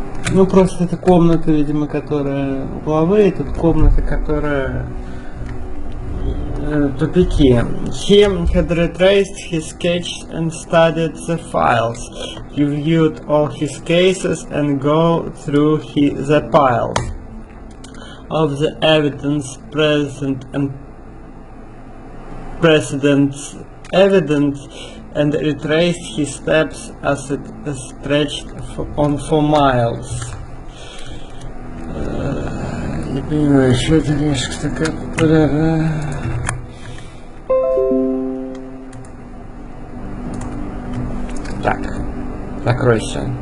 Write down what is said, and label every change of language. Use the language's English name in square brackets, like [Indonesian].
[Russian] Ну просто это комната, видимо, которая главы, и тут комната, которая тупики. [English] He had retraced his sketch and studied the files. He viewed all his cases and go through the pile of the evidence present and precedents evidence and retraced his steps as it stretched on for miles. [Russian] Не понимаю, что это книжка такая популярная. Так, закройся.